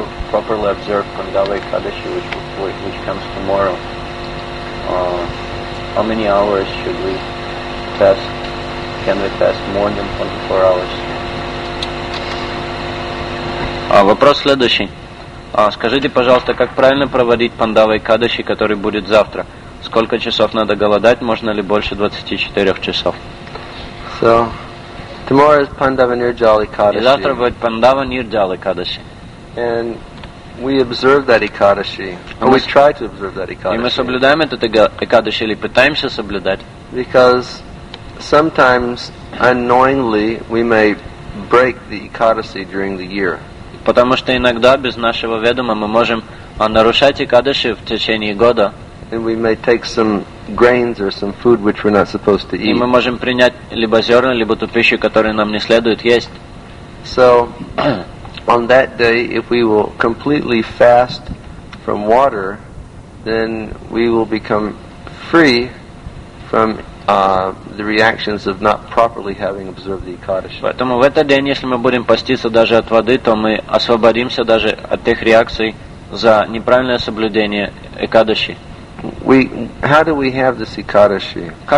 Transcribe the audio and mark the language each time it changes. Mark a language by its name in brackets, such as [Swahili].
[English] properly observe Pandava Ekadashi, which comes tomorrow. How many hours should we fast? Can we fast more than 24 hours? [Russian] Вопрос следующий. Скажите, пожалуйста, как правильно проводить Пандава Экадаши, который будет завтра? Сколько часов надо голодать? Можно ли больше 24 часов? [English] So, tomorrow is Pandava Nirjala Ekadashi. [Russian] И завтра будет Пандава Нирджала Экадаши. [English] And we observe that Ekadashi. Or we try to observe that Ekadashi. [Russian] И мы соблюдаем этот Экадаши или пытаемся соблюдать? [English] Because sometimes unknowingly we may break the Ekadashi during the year. [Russian] Потому что иногда без нашего ведома мы можем нарушать Экадаши в течение года. [English] And we may take some grains or some food which we're not supposed to eat. [Russian] И мы можем принять либо зерна, либо ту пищу, которую нам не следует есть. [English] So, on that day, if we will completely fast from water, then we will become free from the reactions of not properly having observed the Ekadashi. [Russian] Поэтому в этот день, если мы будем поститься даже от воды, то мы освободимся даже от тех реакций за неправильное соблюдение Экадаши. [English] How do we have this Ekadashi?